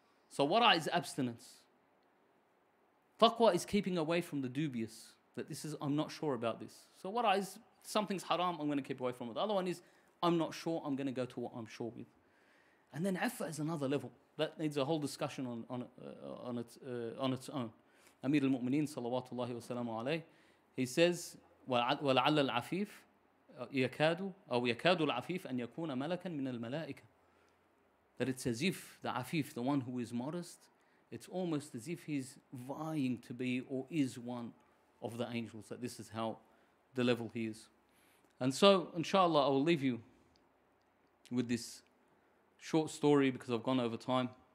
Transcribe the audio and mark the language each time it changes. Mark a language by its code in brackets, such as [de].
[en] So wara is abstinence. Taqwa is keeping away from the dubious, that this is, I'm not sure about this. So wara is, something's haram, I'm going to keep away from it. The other one is, I'm not sure, I'm going to go to what I'm sure with. And then affa is another level. That needs a whole discussion on its own. [ar] Amir al-Mu'mineen, salawatullahi wa salamu alayhi, [en] he says, [ar] وَلَعَلَّ الْعَفِيفِ يَكَادُ أَوْ يَكَادُ الْعَفِيفِ أَنْ يَكُونَ مَلَكًا مِنَ الْمَلَائِكَةِ. [en] That it's as if the afif, the one who is modest, it's almost as if he's vying to be or is one of the angels, that this is how the level he is. And so, inshallah, I will leave you with this short story because I've gone over time.